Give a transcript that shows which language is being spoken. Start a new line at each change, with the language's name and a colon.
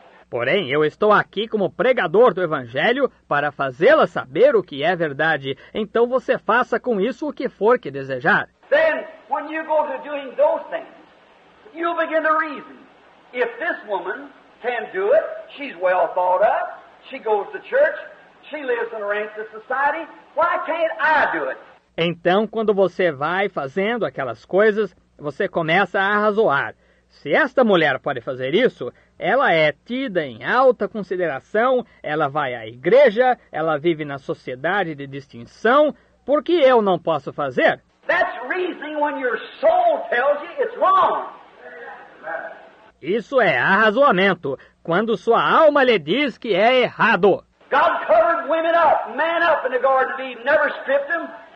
Portuguese: Porém, eu estou aqui como pregador do Evangelho para fazê-la saber o que é verdade. Então você faça com isso o que for que desejar.
English: Then, when you go to doing those things, you begin to reason. If this woman can do it, she's well thought up, she goes to church, she lives in a ranked society, why can't I do it?
Portuguese: Então, quando você vai fazendo aquelas coisas, você começa a razoar. Se esta mulher pode fazer isso, ela é tida em alta consideração, ela vai à igreja, ela vive na sociedade de distinção, por que eu não posso fazer?
English: That's reasoning when your soul tells you it's wrong.
Portuguese: Isso é arrazoamento, quando sua alma lhe diz que é errado.
English: God covered women up, man up in the Garden of Eden, never stripped them.